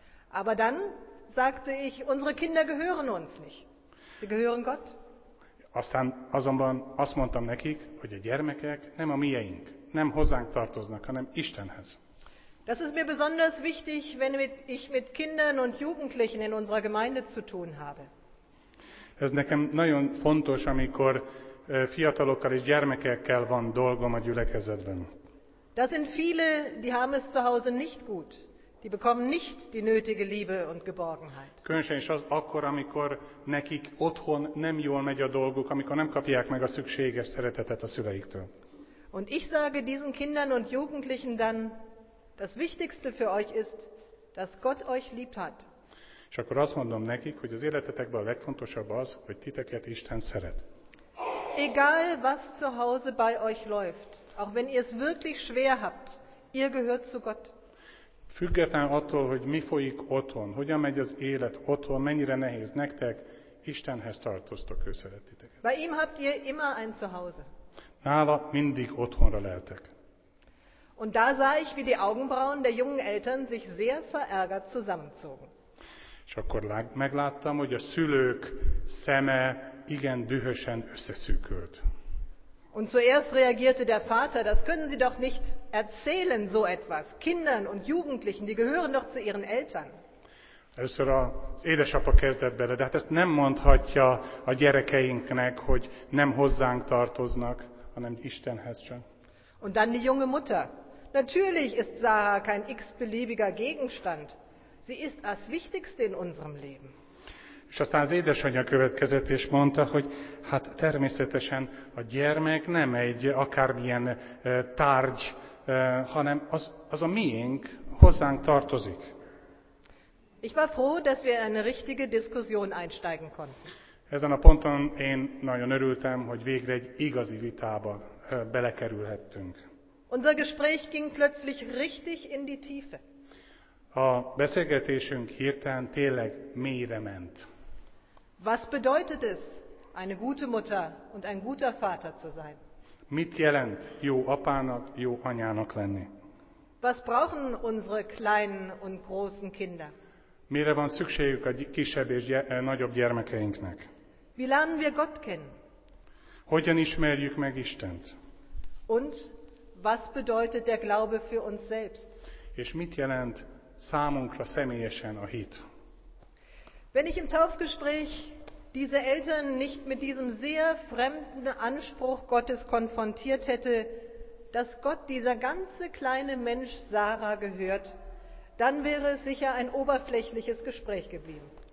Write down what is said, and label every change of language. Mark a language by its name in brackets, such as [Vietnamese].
[German] Aber dann sagte ich, unsere Kinder gehören uns nicht. Sie gehören Gott. [Hungarian] Aztán azonban azt mondtam nekik, hogy a gyermekek nem a mieink, nem hozzánk tartoznak, hanem Istenhez. [German] Das ist mir besonders wichtig, wenn ich mit Kindern und Jugendlichen in unserer Gemeinde zu tun habe. [Hungarian] Ez nekem nagyon fontos, amikor fiatalokkal és gyermekekkel van dolgom a gyülekezetben. [German] Da sind viele, die haben es zu Hause nicht gut. Die bekommen nicht die nötige Liebe und Geborgenheit. [Hungarian] Könnyen is az akkor, amikor nekik otthon nem jól megy a dolguk, amikor nem kapják meg a szükséges szeretetet a szüleiktől. [German] Und ich sage diesen Kindern und Jugendlichen dann, das Wichtigste für euch ist, dass Gott euch lieb hat. [Hungarian] És akkor azt mondom nekik, hogy az életetekben a legfontosabb az, hogy titeket Isten szeret. [German] Egal was zu Hause bei euch läuft, auch wenn ihr es wirklich schwer habt, ihr gehört zu Gott. [Hungarian] Függetlenül attól, hogy mi folyik otthon, hogyan megy az élet otthon, mennyire nehéz nektek, Istenhez tartoztok, ő szeret titeket. [German] Bei ihm habt ihr immer ein Zuhause. [Hungarian] Nála mindig otthonra leltek. [German] Und da sah ich, wie die Augenbrauen der jungen Eltern sich sehr verärgert zusammenzogen. [Hungarian] És akkor megláttam, hogy a szülők szeme igen dühösen összeszűkült. [German] Und zuerst reagierte der Vater, das können Sie doch nicht erzählen, so etwas. Kindern und Jugendlichen, die gehören doch zu ihren Eltern. [Hungarian] Először az édesapa kezdett bele, de hát ezt nem mondhatja a gyerekeinknek, hogy nem hozzánk tartoznak, hanem Istenhez csak. [German] Und dann die junge Mutter. Natürlich ist Sarah kein x-beliebiger Gegenstand. Sie ist das Wichtigste in unserem Leben. [Hungarian] És aztán az édesanyja következett és mondta, hogy hát természetesen a gyermek nem egy akármilyen tárgy, hanem az a miénk, hozzánk tartozik. [German] Ich war froh, dass wir eine richtige Diskussion einsteigen konnten. [Hungarian] Ezen a ponton én nagyon örültem, hogy végre egy igazi vitába belekerülhettünk. [German] Unser Gespräch ging plötzlich richtig in die Tiefe. [Hungarian] A beszélgetésünk hirtelen tényleg mélyre ment. [German] Was bedeutet es, eine gute Mutter und ein guter Vater zu sein? [Hungarian] Mit jelent jó apának, jó anyának lenni? [German] Was brauchen unsere kleinen und großen Kinder? [Hungarian] Mire van szükségük a kisebb és nagyobb gyermekeinknek? [German] Wie lernen wir Gott kennen? [Hungarian] Hogyan ismerjük meg Istent? [German] Und was bedeutet der Glaube für uns selbst? [Hungarian] és mit jelent számunkra személyesen a hit. [German] Wenn ich im Taufgespräch diese Eltern nicht mit diesem sehr fremden Anspruch Gottes konfrontiert hätte, dass Gott dieser ganze kleine Mensch Sarah gehört, dann wäre es sicher ein oberflächliches Gespräch geblieben.